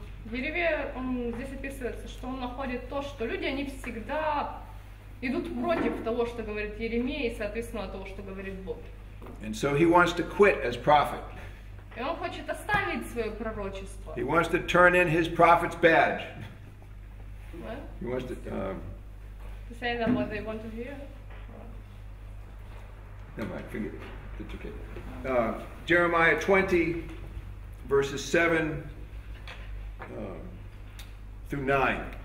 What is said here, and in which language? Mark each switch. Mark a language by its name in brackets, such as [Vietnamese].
[Russian] Иеремия, он здесь описывается, что он находит то, что люди, они всегда идут против того, что говорит Иеремия, и соответственно того, что говорит Бог. [English] And so he wants to quit as prophet. [Russian] И он хочет оставить свое пророчество. [English] He wants to turn in his prophet's badge. What? He wants to say them what they want to hear. Never mind, forget it. It's okay. Jeremiah 20, verses 7 through 9.